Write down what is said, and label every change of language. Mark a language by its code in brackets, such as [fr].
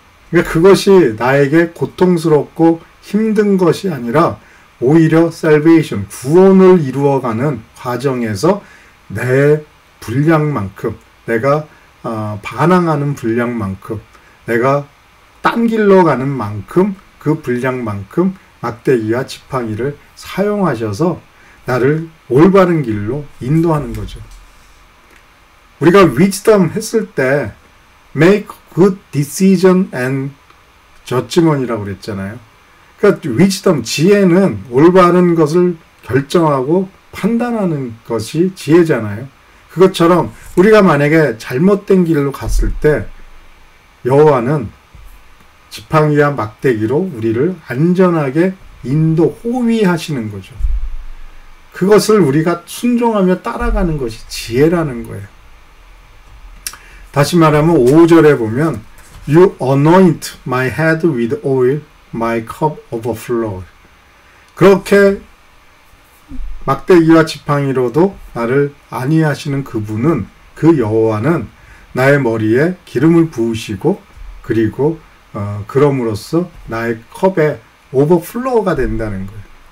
[ko] 그러니까 그것이 나에게 고통스럽고 힘든 것이 아니라 오히려 salvation, 구원을 이루어가는 과정에서 내 분량만큼, 내가 반항하는 분량만큼, 내가 딴 길로 가는 만큼, 그 분량만큼 막대기와 지팡이를 사용하셔서 나를 올바른 길로 인도하는 거죠. 우리가 wisdom 했을 때 [en] make good decision and judgment [ko] 이라고 그랬잖아요. 그러니까 wisdom, 지혜는 올바른 것을 결정하고 판단하는 것이 지혜잖아요. 그것처럼 우리가 만약에 잘못된 길로 갔을 때 여호와는 지팡이와 막대기로 우리를 안전하게 인도, 호위하시는 거죠. 그것을 우리가 순종하며 따라가는 것이 지혜라는 거예요. 다시 말하면 5절에 보면 [en] You anoint my head with oil, my cup overflow. [ko] 그렇게 막대기와 지팡이로도 나를 안위하시는 그분은 그 여호와는 나의 머리에 기름을 부으시고 그리고 그럼으로써 나의 컵에 오버플로우가 된다는 거예요.